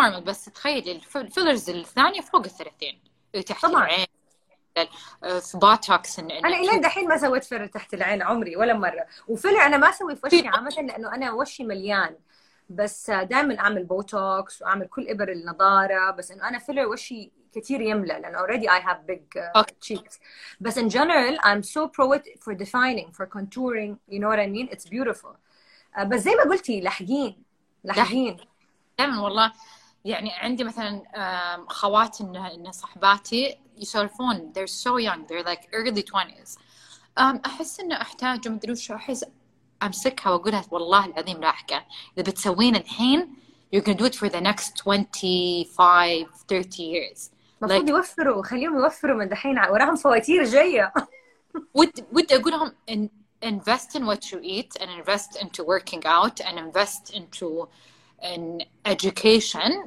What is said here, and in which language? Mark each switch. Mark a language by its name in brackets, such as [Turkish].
[Arabic] نورمال, بس تخيل الفيلرز الثانية فوق الثلاثين وتحت العين في بوتوكس. أنا إلين دحين ما سويت فيلر تحت العين عمري ولا مرة, وفيلر أنا ما أسوي في وشي عامة لأنه أنا وشي مليان, بس دائما أعمل بوتوكس وأعمل كل إبر النضارة, بس إنه أنا فيلر وشي كثير يملى لأن [English] already I have big cheeks. بس in general I'm so pro it for defining, for contouring, you know what I mean, it's beautiful. [Arabic] بس زي ما قلتي لحقين لحقين دائما والله. يعني عندي مثلا خوات إن صحباتي يسولفون, [English] they're so young, they're like early 20s. [Arabic] أحس إنه أحتاج مدري وش, أحس أمسكها وأقولها والله العظيم راحكة إذا بتسوين الحين [English] you're gonna do it for the next 25-30 years. [Arabic] مفروض like, يوفروا, خليهم يوفروا من دحين وراهم فواتير جاية. ود أقولهم [English] invest in what you eat and invest into working out and invest into an education.